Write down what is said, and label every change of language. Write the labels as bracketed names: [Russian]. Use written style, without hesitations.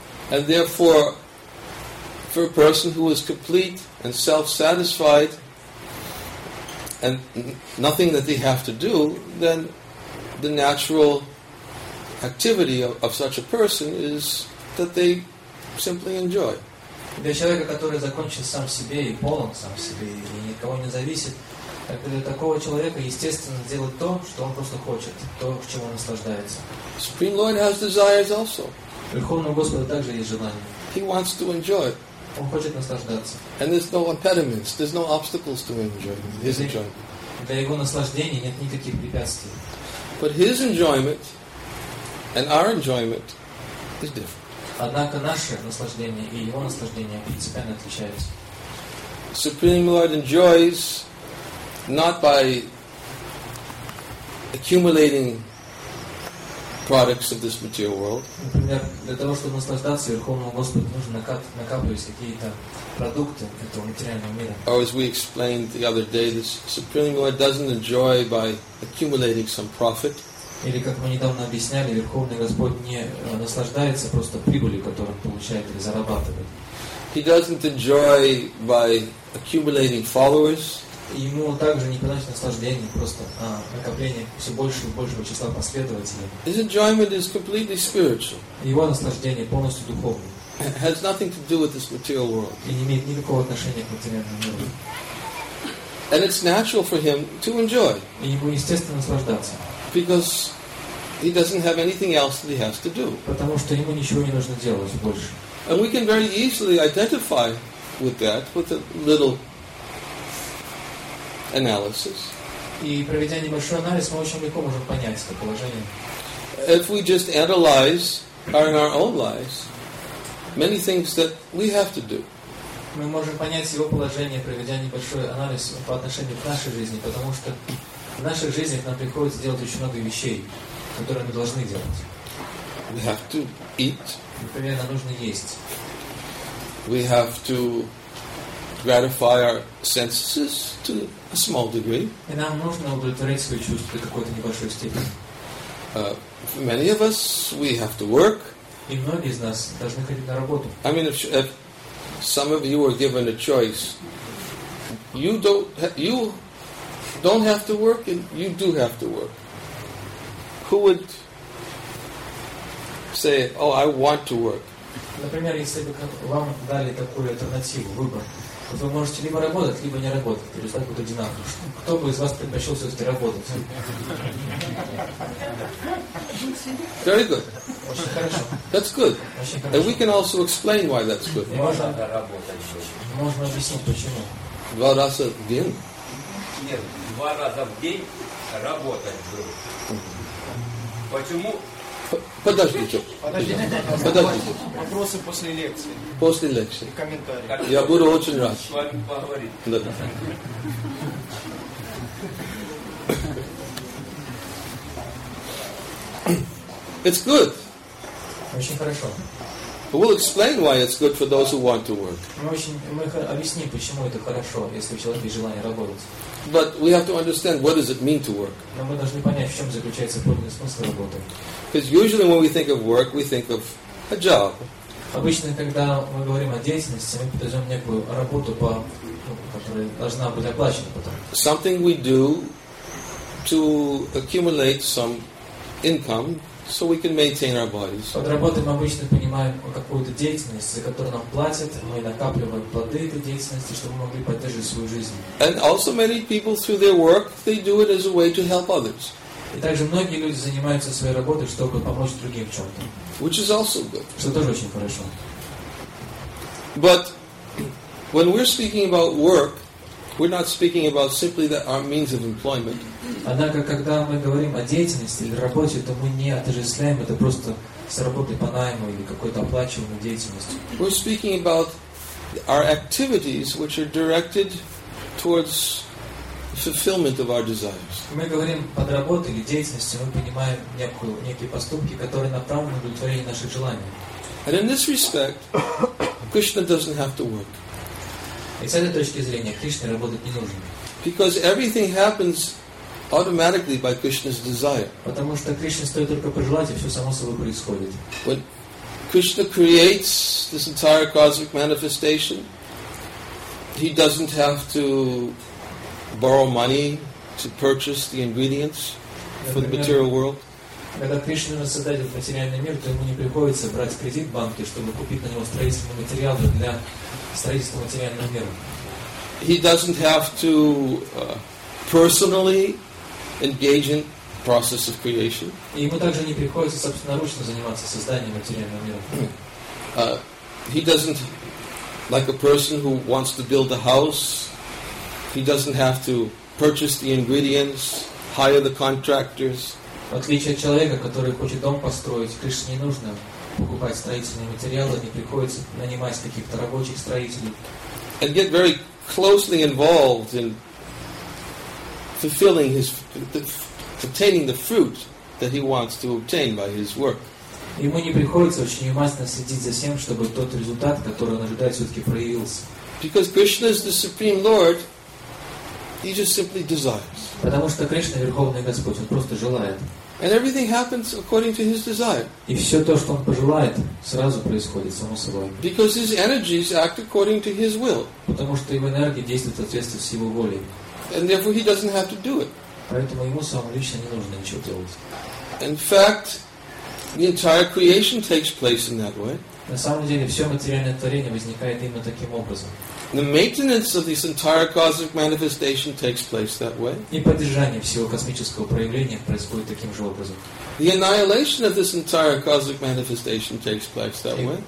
[English] And therefore, for a person who is complete and self-satisfied and nothing that they have to do, then the natural activity of such a person is that they simply enjoy. [Russian] Для человека, который закончен сам в себе и полон сам в себе, и никого не зависит, так для такого человека естественно делать то, что он просто хочет, то, к чему он наслаждается. [English] Supreme Lord has desires also. [Russian] Верховного Господа также есть желание. [English] He wants to enjoy. [Russian] Он хочет наслаждаться. [English] And there's no impediments, there's no obstacles to enjoy his enjoyment. [Russian] Для его наслаждения нет никаких препятствий. [English] But his enjoyment and our enjoyment is different. [Russian] Однако наше наслаждение и его наслаждение принципиально отличаются. [English] Supreme Lord enjoys not by accumulating products of this material world. [Russian] Например, для того, чтобы наслаждаться Верховному Господу, нужно накапливать какие-то продукты этого материального мира. [English] Or as we explained the other day, the Supreme Lord doesn't enjoy by accumulating some profit. [Russian] Или как мы недавно объясняли, Верховный Господь не наслаждается просто прибылью, которую он получает или зарабатывает. [English] He doesn't enjoy by accumulating followers. [Russian] Ему также не приносит наслаждения просто накопление все больше и большего числа последователей. [English] His enjoyment is completely spiritual. [Russian] Его наслаждение полностью духовное. [English] Has nothing to do with this material world. [Russian] И не имеет никакого отношения к материальному миру. [English] And it's natural for him to enjoy. [Russian] И ему естественно наслаждаться. [English] Because he doesn't have anything else that he has to do. [Russian] Потому что ему ничего не нужно делать больше. [English] And we can very easily identify with that with a little analysis. [Russian] И проведя небольшой анализ, мы очень легко можем понять это положение. [English] If we just analyze in our own lives many things that we have to do. [Russian] Мы можем понять его положение, проведя небольшой анализ по отношению к нашей жизни, потому что в наших жизнях нам приходится делать очень много вещей, которые мы должны делать. [English] We have to eat. [Russian] Например, нам нужно есть. [English] We have to gratify our senses to a small degree. [Russian] И нам нужно удовлетворять свои чувства до какой-то небольшой степени. [English] For many of us, we have to work. [Russian] И многие из нас должны ходить на работу. [English] I mean, if some of you are given a choice, you don't have to work, and you do have to work. Who would say, "Oh, I want to work"? [Russian] Например, если бы вам дали такую альтернативу, выбор, вы можете либо работать, либо не работать, то результат будет одинаковый. Кто бы из вас предпочел все-таки работать? [English] Very good. [Russian] Очень хорошо. [English] That's good. [Russian] Очень хорошо. [English] And we can also explain why that's good. [Russian] Можно объяснить почему. Два раза в день? Нет, два раза в день работать будет. Почему? Подождите. Вопросы после лекции. После лекции. И комментарии. Я буду очень рад с вами поговорить. Да. [English] It's good. [Russian] Очень хорошо. [English] We'll explain why it's good for those who want to work. [Russian] Мы объясним, почему это хорошо, если у человека есть желание работать. [English] But we have to understand what does it mean to work. [Russian] Но мы должны понять, в чем заключается подлинный смысл работы. [English] Because usually when we think of work, we think of a job. [Russian] Обычно, когда мы говорим о деятельности, мы подразумеваем некую работу, которая должна быть оплачена потом. [English] Something we do to accumulate some income so we can maintain our bodies. [Russian] Под работой мы обычно понимаем какую-то деятельность, за которую нам платят, мы накапливаем плоды этой деятельности, чтобы мы могли поддерживать свою жизнь. [English] And also many people through their work, they do it as a way to help others. [Russian] И также многие люди занимаются своей работой, чтобы помочь другим в чем-то. [English] Which is also good. [Russian] Что тоже очень хорошо. [English] But when we're speaking about work, we're not speaking about simply that our means of employment. [Russian] Однако, когда мы говорим о деятельности или работе, то мы не отождествляем это просто с работой по найму или какой-то оплачиваемой деятельностью. [English] We're speaking about our activities, which are directed towards fulfillment of our desires. [Russian] Мы говорим под работой или деятельностью, мы понимаем некие поступки, которые направлены на удовлетворение наших желаний. [English] And in this respect, Krishna doesn't have to work. [Russian] И с этой точки зрения Кришне работать не нужно. [English] Because everything happens automatically by Krishna's desire. [Russian] Потому что Кришне стоит только пожелать, и все само собой происходит. [English] When Krishna creates this entire cosmic manifestation, he doesn't have to borrow money to purchase the ingredients for the material world. [Russian] Когда Кришна нас создает материальный мир, то ему не приходится брать кредит в банке, чтобы купить на него строительные материалы для строительства материального мира. [English] He doesn't have to personally engage in the process of creation. [Russian] И ему также не приходится собственноручно заниматься созданием материального мира. [English] He doesn't, like a person who wants to build a house, he doesn't have to purchase the ingredients, hire the contractors. [Russian] В отличие от человека, который хочет дом построить, Кришне не нужно покупать строительные материалы, не приходится нанимать каких-то рабочих строителей. [English] And get very closely involved in fulfilling his, obtaining the fruit that he wants to obtain by his work. [Russian] Ему не приходится очень внимательно следить за тем, чтобы тот результат, который он ожидает, все-таки проявился. [English] Because Krishna is the Supreme Lord, he just simply desires. [Russian] Потому что Кришна Верховный Господь, он просто желает. [English] And everything happens according to his desire. [Russian] И все то, что он пожелает, сразу происходит само собой. [English] Because his energies act according to his will. [Russian] Потому что его энергии действуют в соответствии с его волей. [English] And therefore he doesn't have to do it. [Russian] Поэтому ему самому лично не нужно ничего делать. [English] In fact, the entire creation takes place in that way. [Russian] На самом деле все материальное творение возникает именно таким образом. [English] The maintenance of this entire cosmic manifestation takes place that way. [Russian] И поддержание всего космического проявления происходит таким же образом. [English] The annihilation of this entire cosmic manifestation takes place that way.